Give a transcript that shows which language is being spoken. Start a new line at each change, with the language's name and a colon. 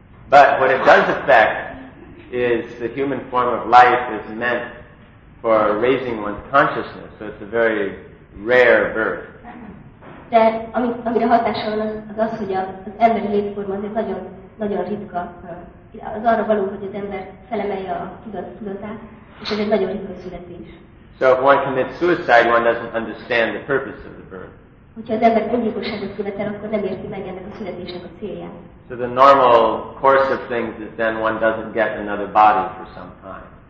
English: But what it does affect is the human form of life is meant for raising one's consciousness, so it's a very rare birth.
Hungarian: De amire hatással van az, hogy az emberi létforma az egy nagyon, nagyon ritka. Az arra való, hogy az ember felemelje a tudatát,
English: So if one commits suicide, one doesn't understand the purpose of the birth. So the normal course of things is then one doesn't get another body for some time.